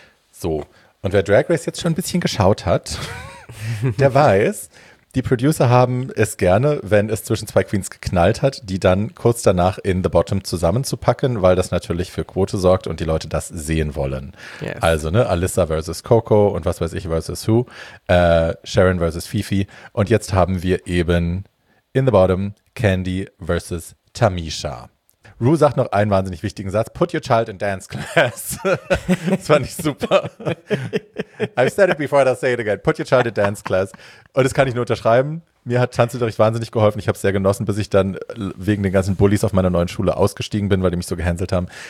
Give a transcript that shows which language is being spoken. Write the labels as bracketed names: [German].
[German] So, und wer Drag Race jetzt schon ein bisschen geschaut hat, der weiß, die Producer haben es gerne, wenn es zwischen zwei Queens geknallt hat, die dann kurz danach in The Bottom zusammenzupacken, weil das natürlich für Quote sorgt und die Leute das sehen wollen. Yes. Also, ne, Alyssa versus Coco und was weiß ich versus who, Sharon versus Fifi. Und jetzt haben wir eben in The Bottom Candy versus Tamisha. Ru sagt noch einen wahnsinnig wichtigen Satz. [English] Put your child in dance class. [German] Das fand ich super. [English] I've said it before, I'll say it again. Put your child in dance class. [German] Und das kann ich nur unterschreiben. Mir hat Tanzunterricht wahnsinnig geholfen. Ich habe es sehr genossen, bis ich dann wegen den ganzen Bullies auf meiner neuen Schule ausgestiegen bin, weil die mich so gehänselt haben.